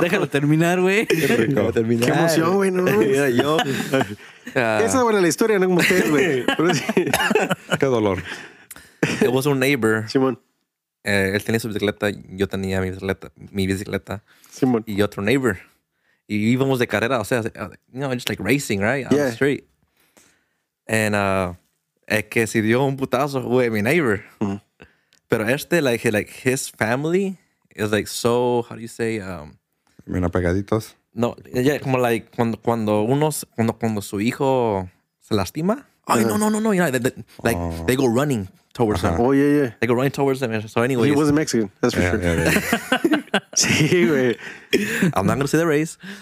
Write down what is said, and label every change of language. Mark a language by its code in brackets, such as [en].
[es] Déjalo terminar, güey. Déjalo terminar. Qué emoción, güey, ¿no? Mira, yo... Esa es buena la historia, no como ustedes, güey. Pero sí. Qué dolor. [en] It was a neighbor. [es] Simón. Él tenía su bicicleta, yo tenía mi bicicleta. Simón. Y otro neighbor. Y íbamos de carrera, o sea, [en] you know, just like racing, right? On the street. [es] And es que se dio un putazo, güey, mi neighbor. Mm. [en] Pero like his family is like so, how do you say? [es] Bien apegaditos. No, yeah, como like cuando su hijo se lastima. Ay, no. [en] You know, they go running towards him. Oh, yeah. They go running towards him. So anyways. He was Mexican, that's for sure. [es] Sí, güey. [en] I'm not going to see the race.